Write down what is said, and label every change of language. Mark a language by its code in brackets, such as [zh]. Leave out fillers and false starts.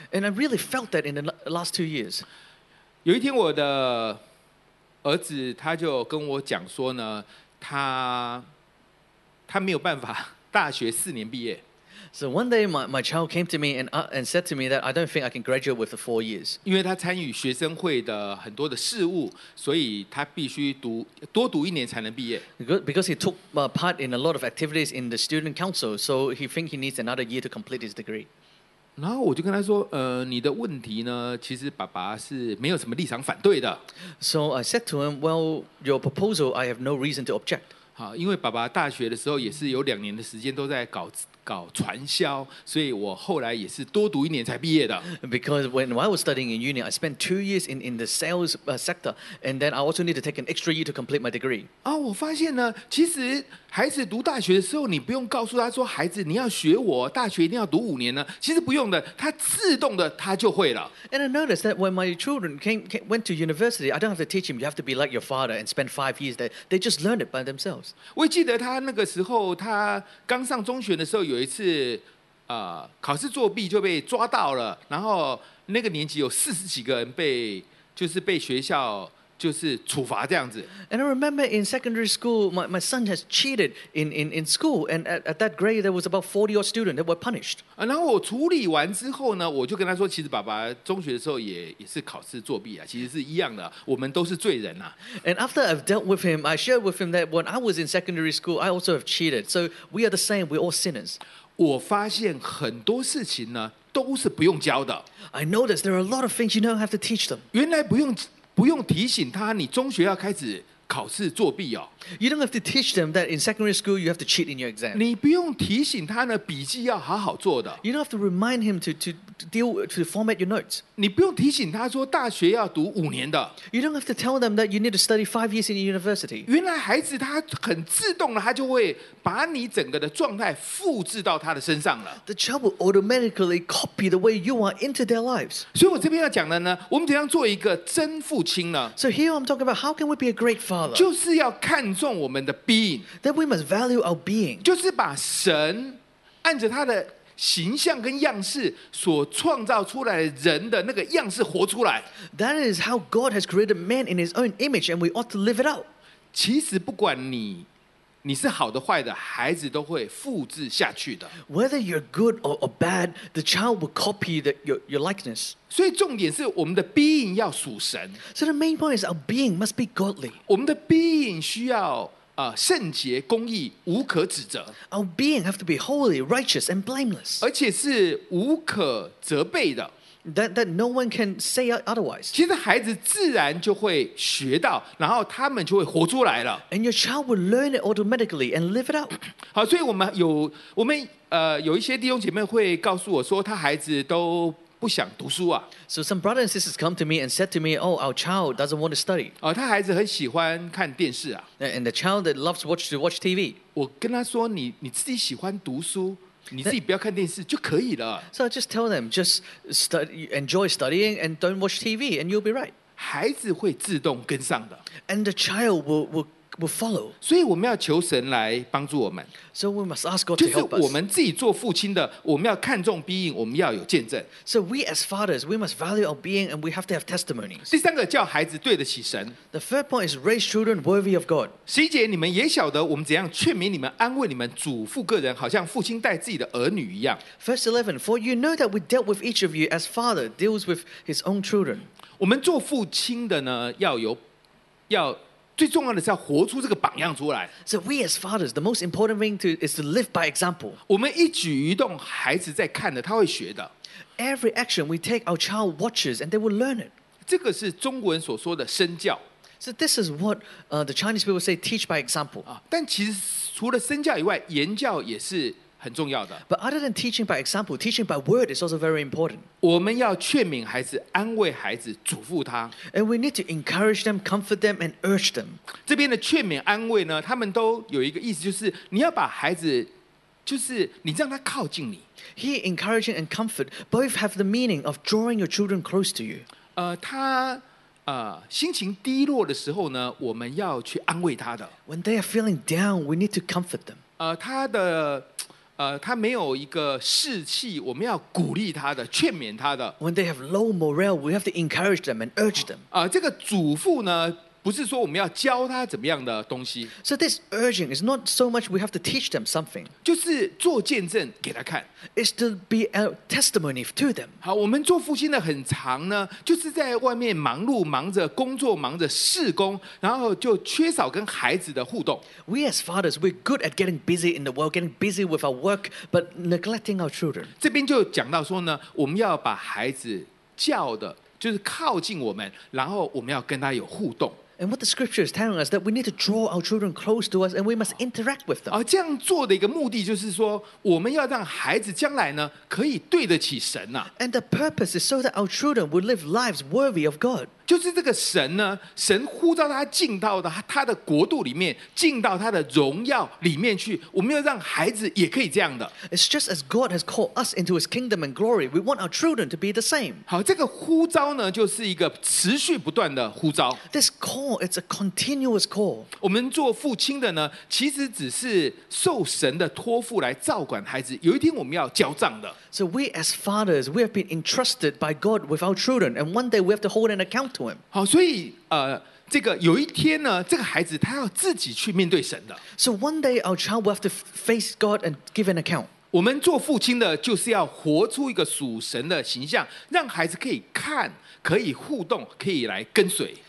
[en] And I really felt that in the last 2 years. [zh] 有一天，我的儿子他就跟我讲说呢，他没有办法大学四年毕业。 [en] So one day my child came to me and said to me that I don't think I can graduate with the 4 years. [zh] 因为他参与学生会的很多的事务，所以他必须读多读一年才能毕业。 [en] Because he took part in a lot of activities in the student council, so he thinks he needs another year to complete his degree. [zh] 然后我就跟他说，你的问题呢，其实爸爸是没有什么立场反对的。 [en] So I said to him, well, your proposal, I have no reason to object. [zh] 好，因为爸爸大学的时候也是有两年的时间都在搞传销，所以我后来也是多读一年才毕业的。 [en] Because when I was studying in uni, I spent 2 years in the sales sector, and then I also need to take an extra year to complete my degree. [zh] 啊，我发现呢，其实孩子读大学的时候，你不用告诉他说，孩子你要学我，大学一定要读五年呢。其实不用的，他自动的他就会了。 [en] And I noticed that when my children went to university, I don't have to teach him. You have to be like your father and spend 5 years there. They just learn it by themselves. [zh] 我记得他那个时候，他刚上中学的时候。有一次，考试作弊就被抓到了，然后那个年级有40几个人被学校就是处罚这样子。 [en] And I remember in secondary school, my son has cheated in school, and at that grade there was about 40 odd students that were punished. [zh] 然后我处理完之后呢，我就跟他说，其实爸爸中学的时候也是考试作弊啊，其实是一样的，我们都是罪人啊。 [en] And after I've dealt with him, I shared with him that when I was in secondary school, I also have cheated. So we are the same. We're all sinners. [zh] 我发现很多事情呢都是不用教的。 [en] I noticed there are a lot of things you don't have to teach them. [zh] 原来不用提醒他，你中学要开始考试作弊哦。 [en] You don't have to teach them that in secondary school you have to cheat in your exam. [zh] 你不用提醒他呢，笔记要好好做的。 [en] You don't have to remind him to format your notes. [zh] 你不用提醒他说大学要读五年的。 [en] You don't have to tell them that you need to study 5 years in university. [zh] 原来孩子他很自动的，他就会把你整个的状态复制到他的身上了。 [en] The child will automatically copy the way you are into their lives. [zh] 所以我这边要讲的呢，我们怎样做一个真父亲呢 [en] ？So here I'm talking about how can we be a great father. [zh] 就是要看重我们的 being, [en] that we must value our being, [zh] 就是把神按着他的形象跟样式所创造出来的人的那个样式活出来。 [en] That is how God has created man in His own image, and we ought to live it out. [zh] 其实不管你是好的坏的，孩子都会复制下去的。 [en] Whether you're good or bad, the child will copy your likeness. [zh] 所以重点是我们的 being 要属神。 [en] So the main point is our being must be godly. [zh] 我们的 being 需要圣洁、公义、无可指责。 [en] Our being have to be holy, righteous, and blameless. [zh] 而且是无可责备的。 [en] That no one can say otherwise. [zh] 其实孩子自然就会学到，然后他们就会活出来了。 [en] And your child will learn it automatically and live it out. [zh] 好，所以我们有一些弟兄姐妹会告诉我说，他孩子都不想读书啊。 [en] So some brothers and sisters come to me and said to me, "Oh, our child doesn't want to study." [zh] 哦，他孩子很喜欢看电视啊。 [en] And the child that loves to watch TV. [zh] 我跟他说，你自己喜欢读书。你自己不要看电视就可以了。 [en] So I just tell them, just enjoy studying and don't watch TV, and you'll be right. [zh] 孩子会自动跟上的。 [en] And the child will follow. [zh] 所以我们要求神来帮助我们。 [en] So we must ask God to help us. [zh] 就是我们自己做父亲的，我们要看重 being, 我们要有见证。 [en] So we as fathers, we must value our being, and we have to have testimonies. [zh] 第三个叫孩子对得起神。 [en] The third point is raise children worthy of God. [zh] 十一节，你们也晓得我们怎样劝勉你们、安慰你们，嘱咐个人，好像父亲待自己的儿女一样。 [en] Verse 11, for you know that we dealt with each of you as father deals with his own children. [zh] 我们做父亲的呢，要最重要的是要活出这个榜样出来。 [en] So we as fathers, the most important thing is to live by example. [zh] 我们一举一动，孩子在看的，他会学的。 [en] Every action we take, our child watches, and they will learn it. [zh] 这个是中国人所说的身教。 [en] So this is what the Chinese people say, teach by example. [zh] 但其实除了身教以外，言教也是很重要的。 [en] But other than teaching by example, teaching by word is also very important. [zh] 我们要劝勉孩子，安慰孩子，嘱咐他。 [en] And we need to encourage them, comfort them, and urge them. [zh] 这边的劝勉、安慰呢，他们都有一个意思，就是你要把孩子，就是你让他靠近你。 [en] Here, encouraging and comfort both have the meaning of drawing your children close to you. [zh] 心情低落的时候呢，我们要去安慰他的。 [en] When they are feeling down, we need to comfort them. [zh] 他没有一个士气，我们要鼓励他的，劝勉他的。 [en] When they have low morale, we have to encourage them and urge them. [zh] 这个嘱咐呢，不是说我们要教他怎么样的东西。 [en] So this urging is not so much we have to teach them something. [zh] 就是做见证给他看。 [en] It's to be a testimony to them. [zh] 好，我们做父亲的很长呢，就是在外面忙碌，忙着工作，忙着事工，然后就缺少跟孩子的互动。 [en] We as fathers, we're good at getting busy in the world, getting busy with our work, but neglecting our children. [zh] 这边就讲到说呢，我们要把孩子叫的。就是靠近我们，然后我们要跟他有互动。 [en] And what the scripture is telling us that we need to draw our children close to us, and we must interact with them. [zh] 而这样做的一个目的就是说，我们要让孩子将来呢可以对得起神呐。 [en] And the purpose is so that our children will live lives worthy of God. [zh] 就是这个神呢，神呼召他进到的他的国度里面，进到他的荣耀里面去。我们要让孩子也可以这样的。 [en] It's just as God has called us into His kingdom and glory, we want our children to be the same. [zh] 好，这个呼召呢，就是一个持续不断的呼召。 [en] This call. It's a continuous call. [zh] 我们做父亲的呢，其实只是受神的托付来照管孩子。有一天我们要交账的。 [en] So we as fathers, we have been entrusted by God with our children, and one day we have to hold an account to Him. [zh] 好，所以这个有一天呢，这个孩子他要自己去面对神的。 [en] So one day our child will have to face God and give an account. [zh] 我们做父亲的就是要活出一个属神的形象，让孩子可以看，可以互动，可以来跟随。